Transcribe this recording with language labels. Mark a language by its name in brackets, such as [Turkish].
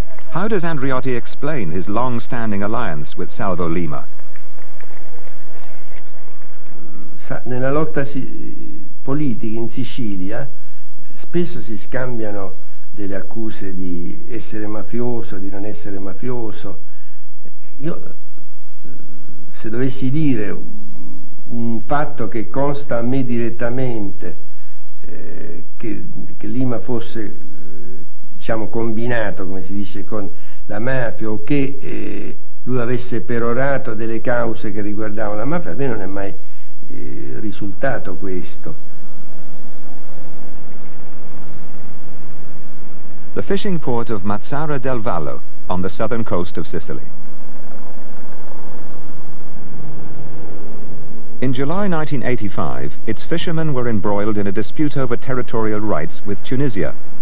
[English] How does Andreotti explain his long-standing alliance with Salvo Lima? [Italian] Nella lotta politica in Sicilia spesso si scambiano delle accuse di essere mafioso, di non essere mafioso. Io, se dovessi dire un fatto che consta a me direttamente, che Lima fosse, diciamo, combinato, come si dice, con la mafia, o che lui avesse perorato delle cause che riguardavano la mafia, a me non è mai risultato questo. [English] The fishing port of Mazzara del Vallo on the southern coast of Sicily. In July 1985, its fishermen were embroiled in a dispute over territorial rights with Tunisia.